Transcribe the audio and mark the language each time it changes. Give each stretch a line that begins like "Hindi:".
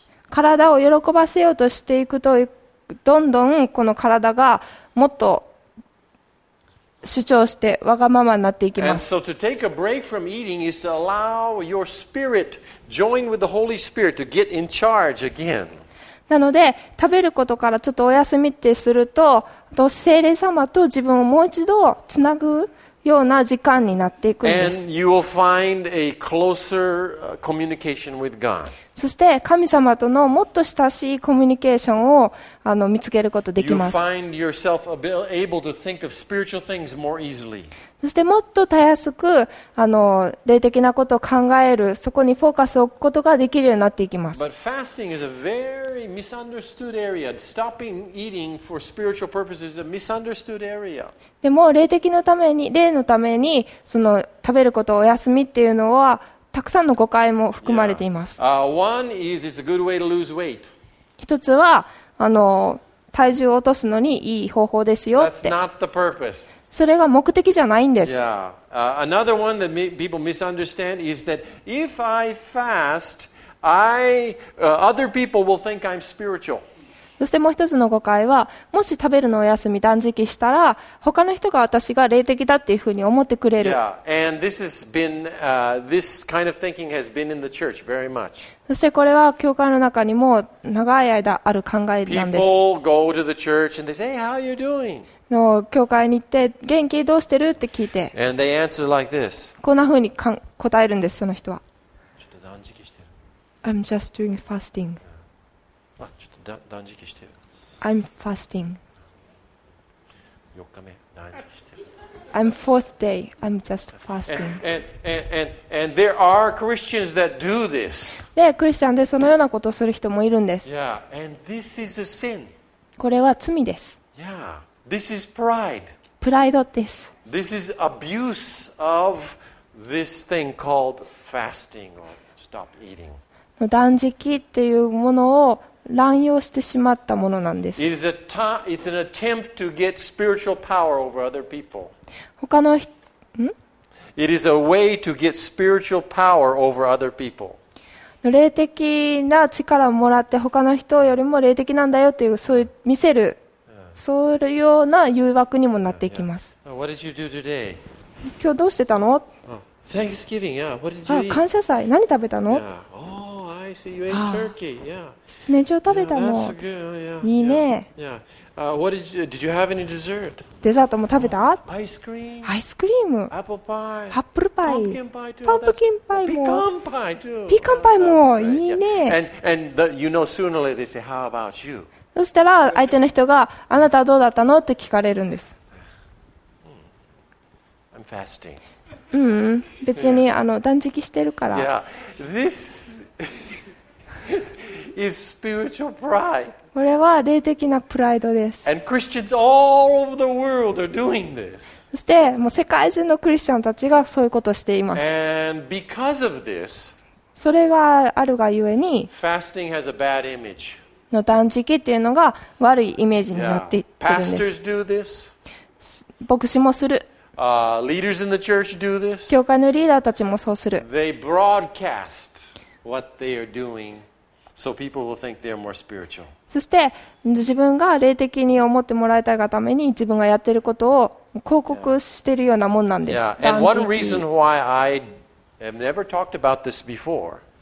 Japanese: 体を喜ばせようとしていくと、どんどんこの体がもっと主張してわがままになっていきます。
English: And so to take a break from eating is to allow your spirit join with the Holy Spirit to get in charge again.
Japanese: なので食べることからちょっとお休みってすると聖霊様と自分をもう一度つなぐような時間になっていくんです。
English: And you will find a closer communication with God.
Japanese: そして神様とのもっと親しいコミュニケーションを見つけることができます。
English: You find yourself able to think of spiritual things more easily.
Japanese: そしてもっとたやすく霊的なことを考える、そこにフォーカスを置くことができるようになっていきます。
English: But fasting is a very misunderstood area. Stopping eating for spiritual purposes is a misunderstood area.
Japanese: でも霊のためにその食べることをお休みっていうのはたくさんの誤解も含まれています。
English: One is it's a good way to lose weight.
Japanese: 一つは体重を落とすのにいい方法ですよって。
English: That's not the purpose.
Japanese: それが目的じゃないんです。
English: Another one that people misunderstand is that if I fast, other people will think I'm spiritual.
Japanese: そしてもう一つの誤解は、もし食べるのお休み断食したら、他の人が私が霊的だっていうふうに思ってくれる。
English: And this has been, this kind of thinking has been in the church very much.
Japanese: そしてこれは教会の中にも長い間ある考えなんです。
English: People go to the church and they say, hey, how are you doing?
Japanese: の教会に行って元気どうしてるって聞いて、
English: And they answer like this.
Japanese: こんな風に答えるんです。その人はちょっと断食してる。
English: I'm just doing fasting.
Japanese: あ、ちょっと断食してる。
English: I'm fasting.
Japanese: 4日目断食してる。
English: I'm fourth day. I'm just fasting. And there are Christians that do this.
Japanese: で、クリスチャンでそのようなことをする人もいるんです。
English: Yeah. And this is a sin.
Japanese: これは罪です。
English: Yeah. This is pride.
Japanese: プライドです。
English: This is abuse of this thing called fasting or stop eating.
Japanese: 断食っていうものを乱用してしまったものなんです。
English: It is it's an attempt to get spiritual power over other people.
Japanese: 他の人、ん?
English: It is a way to get spiritual power over other people.
Japanese: 霊的な力をもらって他の人よりも霊的なんだよっていうそういう見せる。そういうような誘惑にもなっていきます。
English: What did you do today?
Japanese: 今日どうしてたの?
English: Oh, Thanksgiving, yeah. What did you
Japanese: eat? 感謝祭、何食べたの？
English: Yeah. Oh, I see. You ate turkey. Yeah.
Japanese: 七面鳥食べたの。
English: Yeah, that's good. Yeah.
Japanese: いいね。
English: Yeah. Yeah. What did you have any dessert?
Japanese: デザートも食べた？
English: Ice cream.
Japanese: アイスクリーム。
English: Apple pie.
Japanese: アップルパイ。
English: Pumpkin pie too. Pumpkin pie too.
Japanese: ピーカンパイも。いいね。
English: And you know sooner or later they say, how about you?
Japanese: そしたら相手の人があなたはどうだったのって聞かれるんです。
English: I'm fasting.
Japanese: うん、別に、yeah. 断食してるから。
English: Yeah. This is spiritual pride.
Japanese: これは霊的なプライドです。
English: And Christians all over the world are doing this.
Japanese: そしてもう世界中のクリスチャンたちがそういうことをしています。
English: And because of this,
Japanese: それがあるがゆえに、
English: fasting has a bad image.
Japanese: の断食っていうのが悪いイメージになっていってるんです。牧師もする。
English: Leaders in the church do this.
Japanese: 教会のリーダーたちもそうする。
English: They broadcast what they are doing, so people will think they are more spiritual.
Japanese: そして自分が霊的に思ってもらいたいがために自分がやってることを広告しているようなもんなんです。
English: Yeah. And one reason why I have never talked about this before.